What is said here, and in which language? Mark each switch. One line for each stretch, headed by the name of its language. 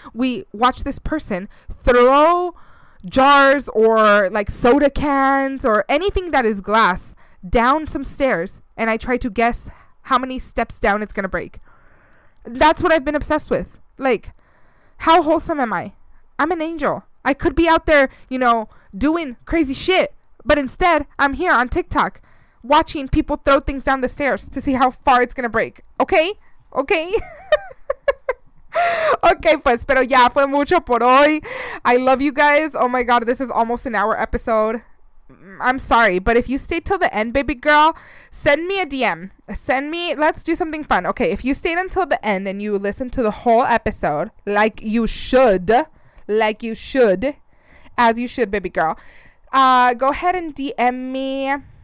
English: We watch this person throw jars or like soda cans or anything that is glass down some stairs, and I try to guess how many steps down it's gonna break. That's what I've been obsessed with. Like, how wholesome am I? I'm an angel. I could be out there, you know, doing crazy shit, but instead I'm here on TikTok watching people throw things down the stairs to see how far it's gonna break.
Spanish: Okay Okay, pues, pero ya fue mucho por hoy.
English: I love you guys. Oh my god, this is almost an hour episode. I'm sorry, but if you stayed till the end, baby girl, send me a DM. Send me, let's do something fun. Okay, if you stayed until the end and you listened to the whole episode, like you should, as you should, baby girl, go ahead and DM me.